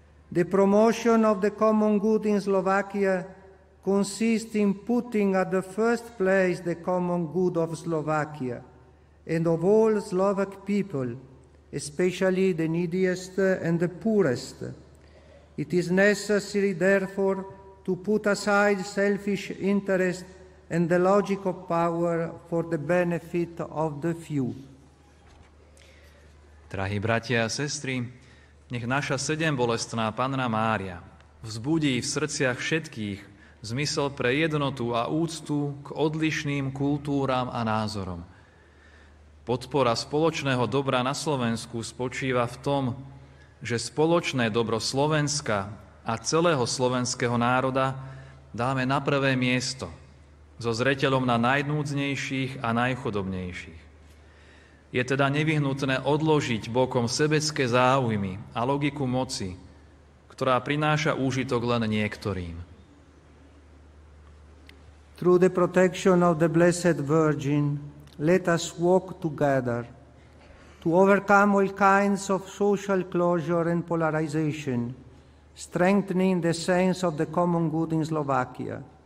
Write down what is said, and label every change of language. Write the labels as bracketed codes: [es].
[en] The promotion of the common good in Slovakia consists in putting at the first place the common good of Slovakia and of all Slovak people, especially the neediest and the poorest. It is necessary, therefore, to put aside selfish interest and the logic of power for the benefit of the few. [sk] Drahí bratia a sestry, nech naša sedembolestná Panna Mária vzbudí v srdciach všetkých zmysel pre jednotu a úctu k odlišným kultúram a názorom. Podpora spoločného dobra na Slovensku spočíva v tom, že spoločné dobro Slovenska a celého slovenského národa dáme na prvé miesto so zreteľom na najnúdznejších a najchudobnejších. Je teda nevyhnutné odložiť bokom sebecké záujmy a logiku moci, ktorá prináša úžitok len niektorým. [en] Through the protection of the Blessed Virgin, let us walk together to overcome all kinds of social closure and polarization, strengthening the sense of the common good in Slovakia.